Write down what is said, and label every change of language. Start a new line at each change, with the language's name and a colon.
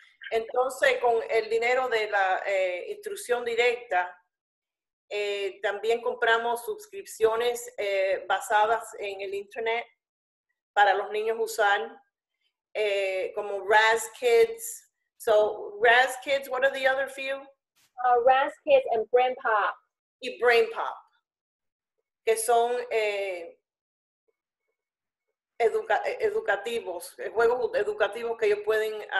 Spanish: Entonces, con el dinero de la instrucción directa, también compramos suscripciones basadas en el internet para los niños usar, como Res Kids.
English: So, Res Kids, what are the other few? Res Kids and Brain Pop.
Spanish: Y Brain Pop, que son educativos, juegos educativos que ellos pueden...